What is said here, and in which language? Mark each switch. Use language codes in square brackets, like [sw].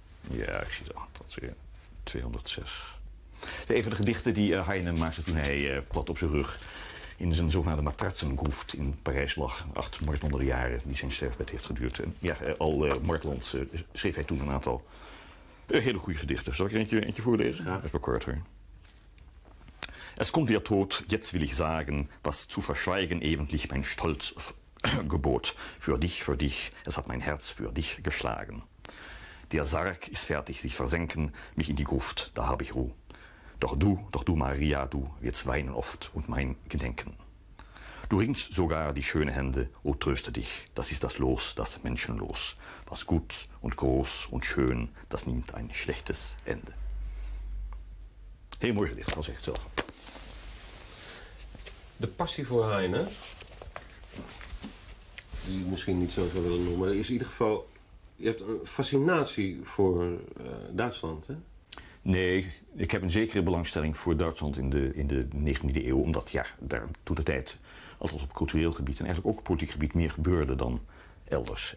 [nl] Ja, ik zie dat. Dat is 206. Een van de gedichten die Heine maakte toen hij plat op zijn rug in zijn zogenaamde matratzengroeft in Parijs lag. 8 martelende jaren die zijn sterfbed heeft geduurd. En ja, al martelend schreef hij toen een aantal hele goede gedichten. Zal ik er eentje voorlezen? Ja. Dat is wel korter. [de] Es kommt der Tod, jetzt will ich sagen, was zu verschweigen eventlich mein Stolz gebot. Für dich, es hat mein Herz für dich geschlagen. Der Sarg ist fertig, sich versenken, mich in die Gruft, da habe ich Ruhe. Doch du, Maria, du wirst weinen oft und mein Gedenken. Du ringst sogar die schöne Hände, o tröste dich, das ist das Los, das Menschenlos. Was gut und groß und schön, das nimmt ein schlechtes Ende. [nl] Heel mooi gedicht, dat was echt zo. De passie voor Heine, die ik misschien niet zoveel wil noemen, is in ieder geval, je hebt een fascinatie voor Duitsland, hè? Nee, ik heb een zekere belangstelling voor Duitsland in de 19e eeuw, omdat ja, daar toentertijd, althans op cultureel gebied en eigenlijk ook op politiek gebied, meer gebeurde dan elders.